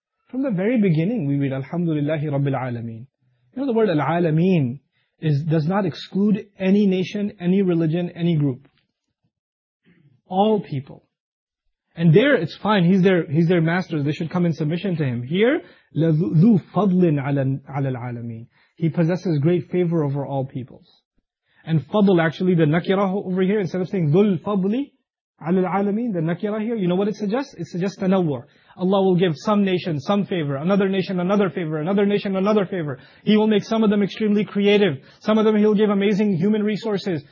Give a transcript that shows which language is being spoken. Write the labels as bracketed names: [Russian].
[English] From the very beginning, we read, Alhamdulillahi Rabbil Alameen. The word Al-Alameen does not exclude any nation, any religion, any group. All people. And there, it's fine. He's their master. They should come in submission to him. [Arabic] Here, لَذُو فَضْلٍ عَلَى الْعَالَمِينَ. [English] He possesses great favor over all peoples. And fadl, actually, the nakira over here, instead of saying [Arabic] ذُو الْفَضْلِ عَلَى الْعَالَمِينَ, [English] the nakira here, you know what it suggests? It suggests تَنَوَّر. Allah will give some nation some favor, another nation another favor, another nation another favor. He will make some of them extremely creative. Some of them He'll give amazing human resources.